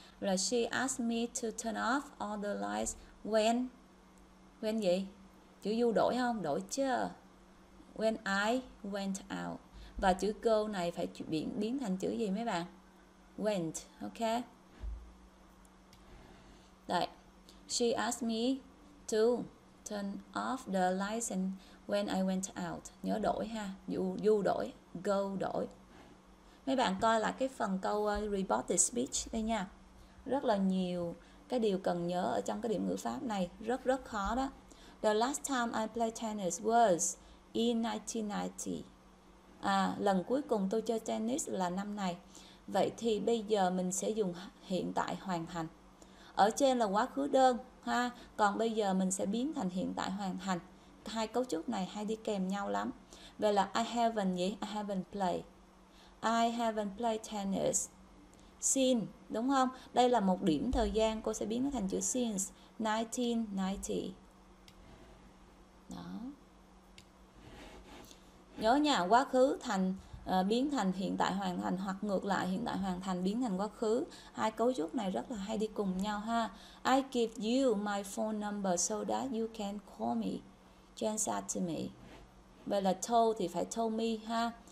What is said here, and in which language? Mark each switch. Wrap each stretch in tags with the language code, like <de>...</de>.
<en>Là she asked me to turn off all the lights when gì,</en> <vi>chữ du đổi không, đổi chưa,</vi> <en>when I went out.</en> <vi>Và chữ go này phải biến thành chữ gì mấy bạn, went, okay. Đấy.</vi> <en>She asked me to turn off the lights and when I went out.</en> <vi>Nhớ đổi ha, you đổi, go đổi. Mấy bạn coi lại cái phần câu robotic speech đây nha. Rất là nhiều cái điều cần nhớ ở trong cái điểm ngữ pháp này, rất rất khó đó.</vi> <en>The last time I played tennis was in 1990.</en> <vi>À, lần cuối cùng tôi chơi tennis là năm này. Vậy thì bây giờ mình sẽ dùng hiện tại hoàn thành. Ở trên là quá khứ đơn ha, còn bây giờ mình sẽ biến thành hiện tại hoàn thành. Hai cấu trúc này hay đi kèm nhau lắm. Vậy là</vi> <en>I haven't</en> <vi>gì?</vi> <en>I haven't played tennis since, đúng không?</en> <vi>Đây là một điểm thời gian, cô sẽ biến nó thành chữ</vi> <en>since 1990.</en> <vi>Đó. Nhớ nha, quá khứ thành biến thành hiện tại hoàn thành, hoặc ngược lại, hiện tại hoàn thành biến thành quá khứ. Hai cấu trúc này rất là hay đi cùng nhau ha.</vi> <en>I give you my phone number so that you can call me. Jen said to me.</en> <vi>Vậy là told thì phải</vi> <en>told me</en> <vi>ha.</vi>